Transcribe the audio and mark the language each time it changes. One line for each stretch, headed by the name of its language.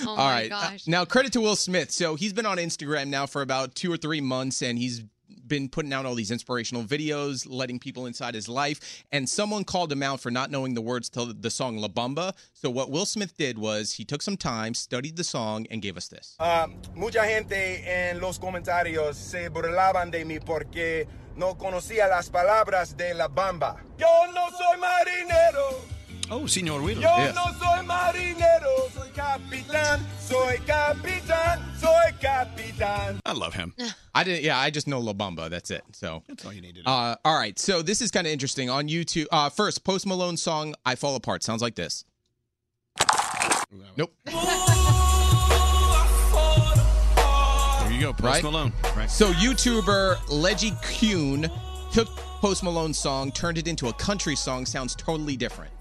English: Oh, all right. My gosh. Now, credit to Will Smith. So he's been on Instagram now for about 2 or 3 months, and he's been putting out all these inspirational videos, letting people inside his life, and someone called him out for not knowing the words to the song La Bamba. So what Will Smith did was he took some time, studied the song, and gave us this.
Spanish: Mucha gente en los comentarios se burlaban de mí porque no conocía las palabras de La Bamba. Yo no soy marinero.
English: Oh, Señor Will. Yo yes.
Spanish: No soy marinero, soy capitán, soy capitán, soy capitán.
English: I love him. I just know La Bamba, that's it. So that's all you need to know. All right, so this is kind of interesting. On YouTube, first, Post Malone's song, I Fall Apart, sounds like this. Nope. There you go, Post Malone. Right. So YouTuber Leggy Kuhn took Post Malone's song, turned it into a country song, sounds totally different.